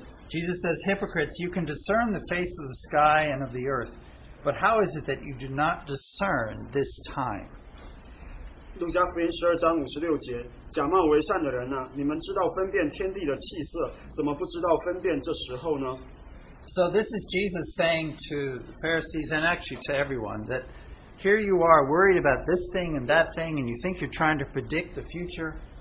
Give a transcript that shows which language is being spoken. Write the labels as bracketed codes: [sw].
[en] Jesus says, hypocrites, you can discern the face of the sky and of the earth, but how is it that you do not discern this time? [zh] 路加福音12章56节，假冒为善的人啊，你们知道分辨天地的气色，怎么不知道分辨这时候呢？ [en] So this is Jesus saying to the Pharisees and actually to everyone that here you are worried about this thing and that thing, and you think you're trying to predict the future.